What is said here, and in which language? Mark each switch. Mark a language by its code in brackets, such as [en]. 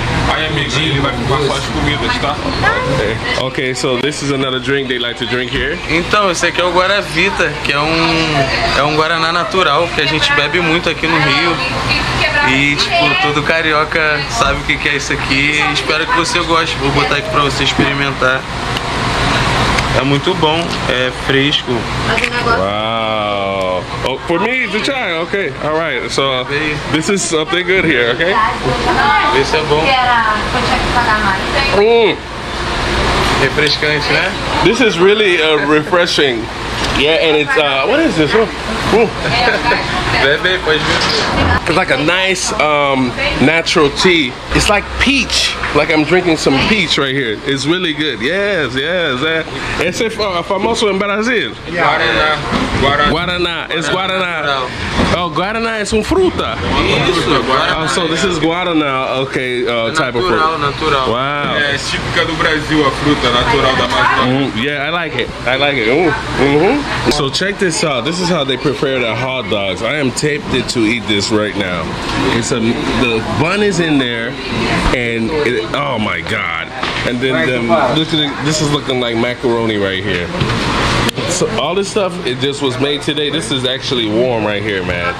[pt] Aí, amiguinho, ele vai comprar quatro comidas, tá? [en] Okay, so this is another drink they like to drink here? [pt] Então, esse aqui é o Guaravita, que é um Guaraná natural, que a gente bebe muito aqui no Rio. E, tipo, todo carioca sabe o que é isso aqui. Espero que você goste. Vou botar aqui pra você experimentar. É muito bom. É fresco. Uau! [en] Wow. Oh, for me, to try. Okay. All right. So, this is something good here, okay? [pt] Esse é bom. Refrescante, né? [en] This is really refreshing. Yeah, and it's, what is this? Oh. It's like a nice natural tea. It's like peach, like I'm drinking some peach right here. It's really good. Yes, yes. It's a famoso in Brazil. [pt] Guaraná. [en] Guaraná. It's Guaraná. Oh, Guaraná is [pt] um fruta. [en] Oh, so this is Guaraná, okay, type of fruit. [pt] Natural, natural. [en] Wow. [pt] É típica do Brasil, a fruta natural da Amazônia. [en] Yeah, I like it. I like it. Ooh. Mm-hmm. So check this out. This is how they prepare the hot dogs. I am tempted to eat this right now. It's a, the bun is in there, and it, oh my God. And then this is looking like macaroni right here. So all this stuff, it just was made today. This is actually warm right here, man.